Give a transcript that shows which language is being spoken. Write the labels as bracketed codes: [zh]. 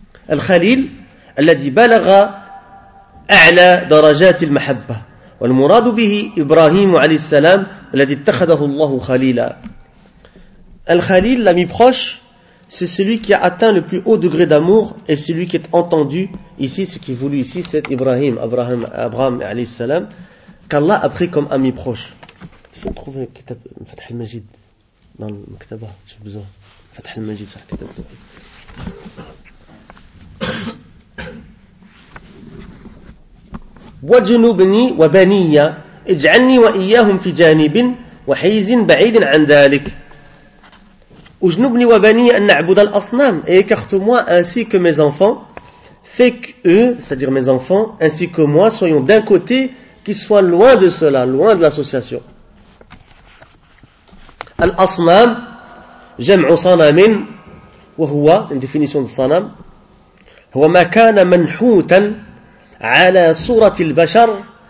[ar] الخليل الذي بلغ أعلى درجات المحبة والمراد به إبراهيم عليه السلام الذي اتخذه الله خليلا. [fr] الخليل, l'ami proche, c'est celui qui a atteint le plus haut degré d'amour et celui qui est entendu ici, ce qui est voulu ici, c'est Abraham عليه السلام, qu'Allah a pris comme ami proche. Si on trouve un kitab Fath al-Majid dans le maktaba, j'ai besoin Fath al-Majid sur le kitab. [ar] وجنوبني وبنية اجعلني وإياهم في جانب وحيز بعيد عن ذلك. وجنوبني وبنية أن نعبد الأصنام. [fr] Et écarte-moi ainsi que mes enfants, fais qu'eux, c'est-à-dire mes enfants, ainsi que moi, soyons d'un côté, qu'ils soient loin de cela, loin de l'association. [ar] الأصنام جمع صنم, وهو, [fr] c'est une définition de [ar] صنم, هو ما كان منحوتا على صورة البشر